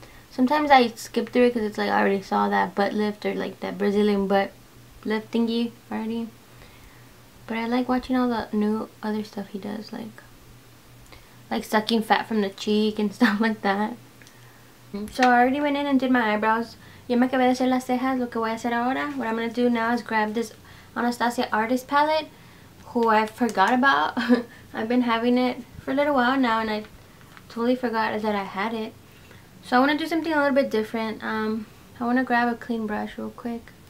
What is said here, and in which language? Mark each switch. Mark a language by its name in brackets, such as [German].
[English] Sometimes I skip through it because it's like I already saw that butt lift or like that Brazilian butt lift thingy already. But I like watching all the new other stuff he does, like sucking fat from the cheek and stuff like that. So I already went in and did my eyebrows. [Spanish] Ya me acabé de hacer las cejas, lo que voy a hacer ahora. [English] What I'm going to do now is grab this Anastasia Artist Palette, who I forgot about. I've been having it for a little while now and I totally forgot that I had it. So I want to do something a little bit different. I want to grab a clean brush real quick.